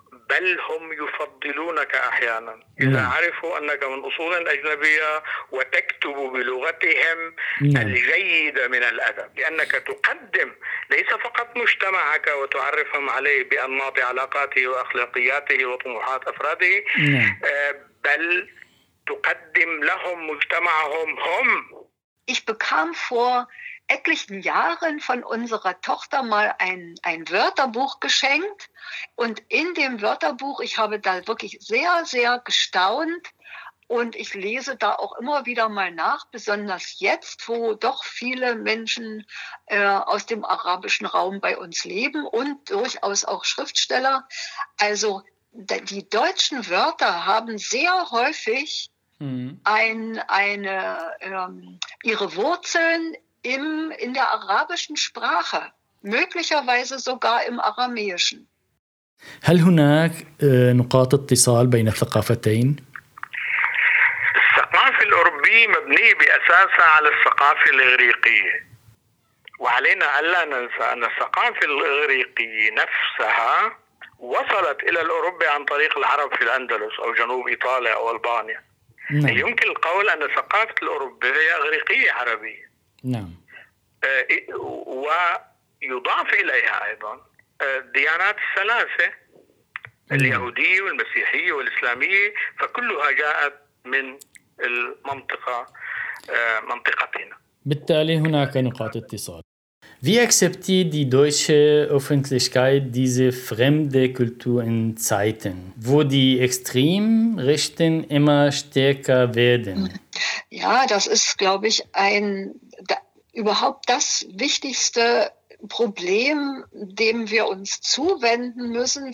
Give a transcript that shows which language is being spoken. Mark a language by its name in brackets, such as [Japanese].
[Arabic] بل هم يفضلونك أحيانا إذا عرفوا أنك من أصول أجنبية وتكتب بلغتهم الجيدة من الأدب، لأنك تقدم ليس فقط مجتمعك وتعرفهم عليه بأنماط علاقاته وأخلاقياته وطموحات أفراده، بل تقدم لهم مجتمعهم هم. [German] Ich bekam vor etlichen Jahren von unserer Tochter mal ein Wörterbuch geschenkt. Und in dem Wörterbuch, ich habe da wirklich sehr, sehr gestaunt. Und ich lese da auch immer wieder mal nach, besonders jetzt, wo doch viele Menschen aus dem arabischen Raum bei uns leben und durchaus auch Schriftsteller. Also die deutschen Wörter haben sehr häufig ihre Wurzeln in der arabischen Sprache, möglicherweise sogar im Aramäischen. [Arabic] هل هناك نقاط اتصال بين الثقافتين؟ الثقافة الأوروبية مبنية بأساسها على الثقافة الإغريقية، وعلينا ألا ننسى أن الثقافة الإغريقية نفسها وصلت إلى الأوروبا عن طريق العرب في الأندلس أو جنوب إيطاليا أو ألبانيا. نعم. يمكن القول أن الثقافة الأوروبية هي إغريقية عربية. نعم. ويضاف إليها أيضا الديانات الثلاثة اليهودية والمسيحية والإسلامية، فكلها جاءت من المنطقة منطقتنا. بالتالي هناك نقاط اتصال. [German] Wie akzeptiert die deutsche Öffentlichkeit diese fremde Kultur in Zeiten, wo die Extremrechten immer stärker werden? Ja, das ist, glaube ich, überhaupt das wichtigste Problem, dem wir uns zuwenden müssen.